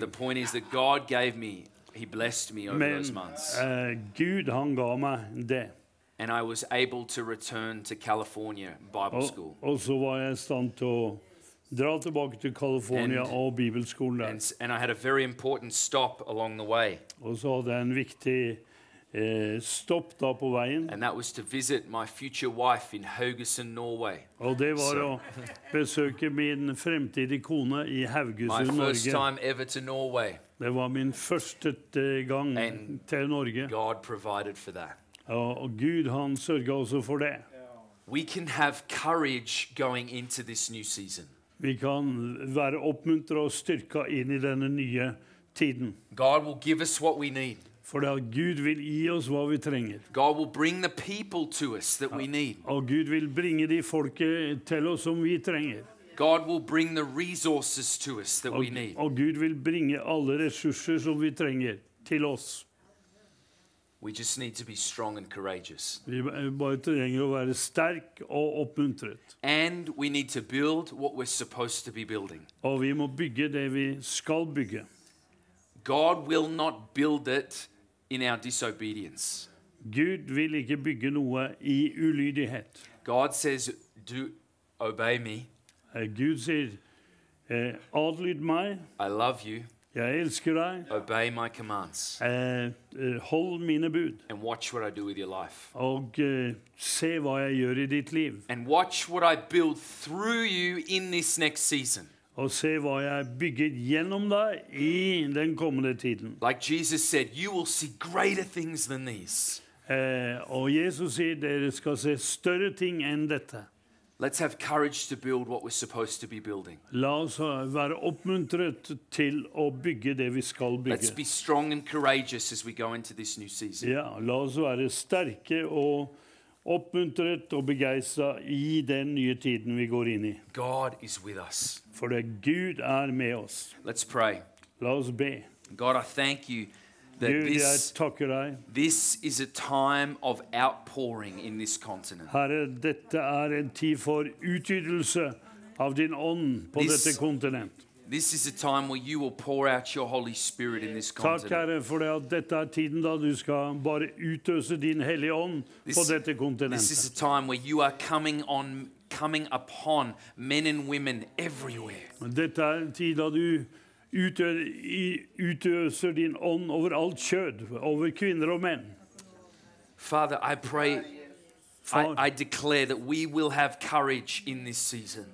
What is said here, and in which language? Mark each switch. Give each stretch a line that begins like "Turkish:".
English: But the point is that God gave me, he blessed me over
Norwegian: Men,
English: those months.
Norwegian: Gud han ga meg det.
English: And I was able to return to California Bible school.
Norwegian: Og så var jeg stand til å dra tilbake til California og Bibelskolen der.
English: And I had a very important stop along the way.
Norwegian: Og så hadde jeg en viktig stopp da på veien.
English: And that was to visit my future wife in Haugesund, Norway.
Norwegian: Og det var å besøke min fremtidige kone i Haugesund, Norge.
English: My first time ever to Norway.
Norwegian: Det var min første gang
English: and
Norwegian: til Norge.
English: And God provided for that.
Norwegian: Og Gud han sørget også for det.
English: We can have courage going into this new season.
Norwegian: Vi kan være oppmuntret og styrket inn i denne nye tiden.
English: God will give us what we need.
Norwegian: For da Gud vil gi oss hva vi trenger.
English: God will bring the people to us that we need.
Norwegian: Og Gud vil bringe de folket til oss som vi trenger.
English: God will bring the resources to us that we need.
Norwegian: Og Gud vil bringe alle ressurser som vi trenger til oss.
English: We just need to be strong and courageous.
Norwegian: Vi bare trenger å være sterk og oppmuntret.
English: And we need to build what we're supposed to be building.
Norwegian: Og vi må bygge det vi skal bygge.
English: God will not build it in our disobedience.
Norwegian: Gud vil ikke bygge noe i ulydighet.
English: God says, "Do obey me."
Norwegian: Gud sier, adlyd meg.
English: I love you.
Norwegian: Jeg elsker deg.
English: Obey my commands.
Norwegian: Hold mine bud.
English: And watch what I do with your life.
Norwegian: Og se hva jeg gjør i ditt liv.
English: And watch what I build through you in this next season.
Norwegian: Og se hva jeg bygger gjennom deg i den kommende tiden.
English: Like Jesus said, you will see greater things than these.
Norwegian: Og Jesus sier, dere skal se større ting enn dette.
English: Let's have courage to build what we're supposed to be building.
Norwegian: La oss være oppmuntret til å bygge det vi skal bygge.
English: Let's be strong and courageous as we go into this new season.
Norwegian: Ja, la oss være sterke og oppmuntret og begeistret i den nye tiden vi går inn i.
English: God is with us.
Norwegian: For det Gud er med oss.
English: Let's pray.
Norwegian: La oss be.
English: God, I thank you that this is a time of outpouring in this continent.
Norwegian: Herre, dette er en tid for utgydelse av din ånd på dette kontinent.
English: This is a time where you will pour out your Holy Spirit in this continent.
Norwegian: Takk, Herre, for det at dette er tiden da du skal bare utøse din hellige ånd på dette kontinentet.
English: This is a time where you are coming upon men and women everywhere.
Norwegian: Dette er en tid da du utøser din ånd over alt kjød, over kvinner og menn.
English: Father, I pray, I declare that we will have courage in this season.